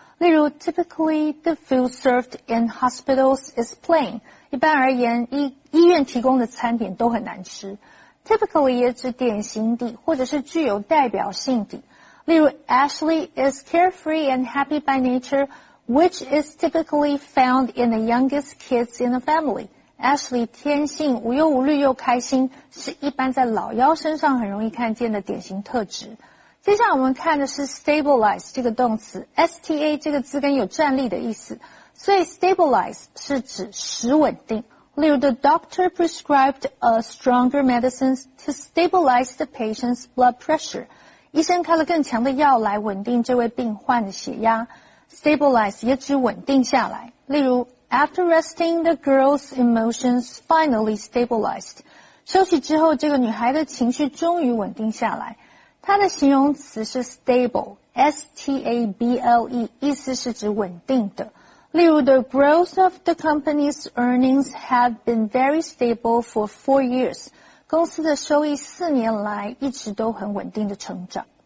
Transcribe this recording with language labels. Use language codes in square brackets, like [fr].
[en] 例如 typically the food served in hospitals is plain, [zh] 一般而言 医院提供的餐点都很难吃。 Typically 也指典型的或者是具有代表性的。例如 [en] Ashley is carefree and happy by nature, which is typically found in the youngest kids in the family. [zh] Ashley 天性无忧无虑又开心，是一般在老幺身上很容易看见的典型特质。接下来我们看的是 stabilize 这个动词， STA 这个字根有站立的意思，所以 stabilize 是指使稳定。例如 [en] the doctor prescribed a stronger medicine to stabilize the patient's blood pressure. [zh] 医生开了更强的药来稳定这位病患的血压， stabilize 也指稳定下来。例如 [en] after resting, the girl's emotions finally stabilized. [zh] 休息之后，这个女孩的情绪终于稳定下来。它的形容词是 stable, S-T-A-B-L-E, 意思是指稳定的。例如 [en] the growth of the company's earnings have been very stable for 4 years. [zh] 公司的收益四年来一直都很稳定的成长。